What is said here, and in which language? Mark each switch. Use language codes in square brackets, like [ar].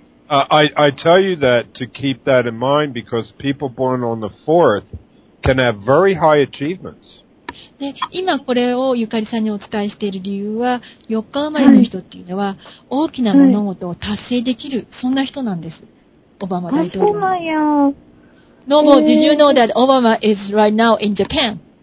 [en] I tell you that to keep that in mind because people born on the 4th can have very high achievements. [ja] で今これをゆかりさんにお伝えしている理由は4日生まれの人っていうのは大きな物事を達成できる、はい、そんな人なんです。オバマ大統領。あ、そうなんや。 [en] No more. Did you know that Obama is right now in Japan?